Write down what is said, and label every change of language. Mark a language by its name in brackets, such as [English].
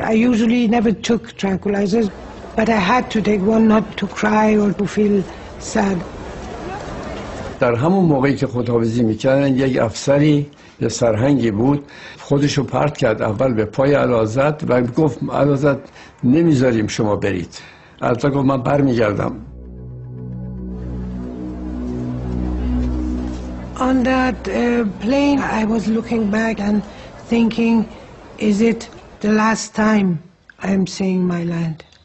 [English] I usually never took tranquilizers, but I had to take one not to cry or to feel sad. [Persian] در همون موقعی که خداحافظی میکردن یک افسری یه سرهنگی بود خودشو پرت کرد اول به پای علازت و گفت علازت نمیذاریم شما برید علازت گفت من بر میگردم [English] On that plane I was looking back and thinking is it the last time I'm seeing my land